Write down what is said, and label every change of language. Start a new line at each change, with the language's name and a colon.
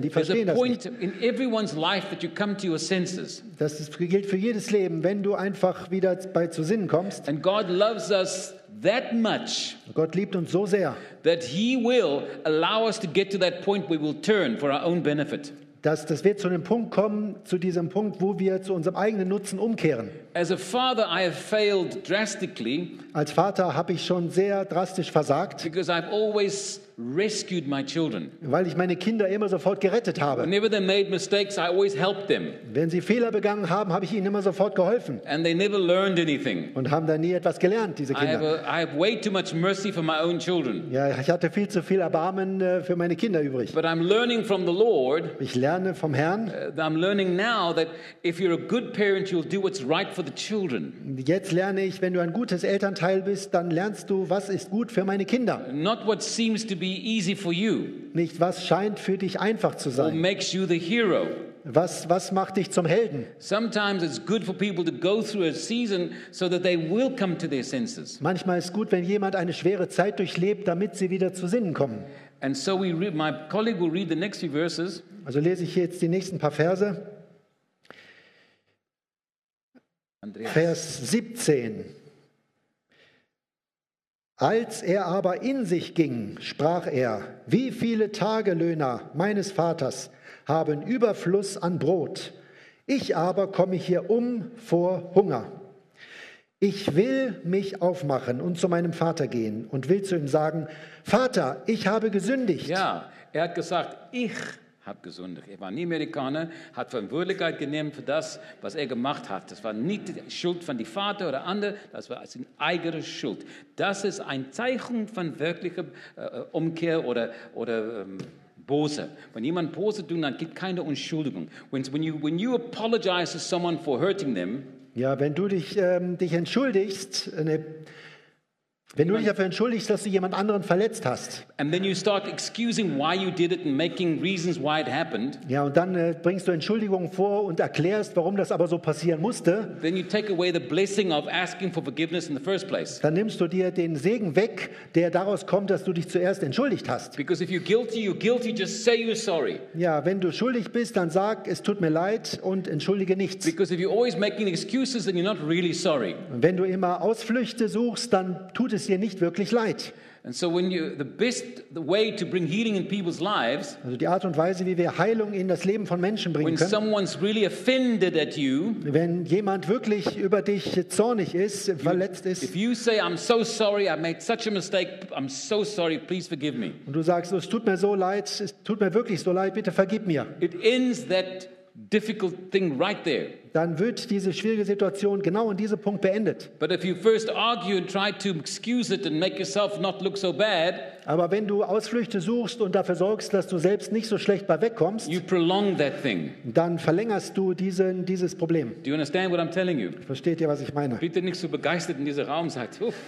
German: Die verstehen das nicht.
English: There's a point in everyone's life that you come to your senses.
German: Das gilt für jedes Leben, wenn du einfach wieder bei zu Sinnen kommst.
English: And God loves us that much.
German: Gott liebt uns so sehr.
English: That he will allow us to get to that point where we'll turn for our own benefit.
German: Dass wir zu einem Punkt kommen, zu diesem Punkt, wo wir zu unserem eigenen Nutzen umkehren.
English: As a father, I have failed drastically.
German: Als Vater habe ich schon sehr drastisch versagt.
English: Because I've always rescued my children.
German: Weil ich meine Kinder immer sofort gerettet habe.
English: Whenever they made mistakes, I always helped them.
German: Wenn sie Fehler begangen haben, habe ich ihnen immer sofort geholfen.
English: And they never learned anything.
German: Und haben dann nie etwas gelernt, diese Kinder.
English: I have way too much mercy for my own children.
German: Ja, ich hatte viel zu viel Erbarmen für meine Kinder übrig.
English: But I'm learning from the Lord.
German: Ich lerne vom Herrn.
English: I'm learning now that if you're a good parent, you'll do what's right for the children.
German: Jetzt lerne ich, wenn du ein gutes Elternteil bist, dann lernst du, was ist gut für meine Kinder.
English: Not what seems to be easy for you.
German: Nicht was scheint für dich einfach zu sein.
English: What makes you the hero?
German: Was macht dich zum Helden?
English: Sometimes it's good for people to go through a season so that they will come to their senses.
German: Manchmal ist gut, wenn jemand eine schwere Zeit durchlebt, damit sie wieder zu Sinnen kommen.
English: And so my colleague will read the next few verses.
German: Also lese ich jetzt die nächsten paar Verse. Andreas. Vers 17. Als er aber in sich ging, sprach er: Wie viele Tagelöhner meines Vaters haben Überfluss an Brot, ich aber komme hier um vor Hunger. Ich will mich aufmachen und zu meinem Vater gehen und will zu ihm sagen: Vater, ich habe gesündigt. Ja, er hat gesagt, ich habe gesündigt. Er war nie Amerikaner, hat Verantwortlichkeit genommen für das, was er gemacht hat. Das war nicht die Schuld von dem Vater oder anderen, das war seine eigene Schuld. Das ist ein Zeichen von wirklicher Umkehr oder Buße. Wenn jemand Buße tut, dann gibt es keine Entschuldigung.
English: When you apologize to someone for hurting them,
German: ja, wenn du dich entschuldigst, wenn du dich dafür entschuldigst, dass du jemand anderen verletzt hast.
English: And then you start excusing why you did it and making reasons why it happened.
German: Ja, und dann bringst du Entschuldigungen vor und erklärst, warum das aber so passieren musste.
English: Then you take away the blessing of asking for forgiveness in the first place.
German: Dann nimmst du dir den Segen weg, der daraus kommt, dass du dich zuerst entschuldigt hast.
English: Because if you're guilty, you're guilty, just say you're sorry.
German: Ja, wenn du schuldig bist, dann sag, es tut mir leid und entschuldige nichts.
English: Because if you're always making excuses, then you're not really sorry.
German: Wenn du immer Ausflüchte suchst, dann tut es dir nicht wirklich leid.
English: And so the way to bring healing in people's lives,
German: also die Art und Weise, wie wir Heilung in das Leben von Menschen bringen
English: when
German: können.
English: Someone's really offended at you,
German: wenn jemand wirklich über dich zornig ist, verletzt ist.
English: If you say I'm so sorry, I made such a mistake, I'm so sorry, please forgive me.
German: Und du sagst, es tut mir so leid, es tut mir wirklich so leid, bitte vergib mir.
English: It ends that difficult thing right there.
German: Dann wird diese schwierige Situation genau an diesem Punkt beendet.
English: But if you first argue and try to excuse it and make yourself not look so bad,
German: aber wenn du Ausflüchte suchst und dafür sorgst, dass du selbst nicht so schlecht bei wegkommst,
English: you prolong that thing.
German: Dann verlängerst du dieses Problem.
English: Do you understand what I'm telling you?
German: Versteht ihr, was ich meine? Bitte nicht so begeistert in diesem Raum seid.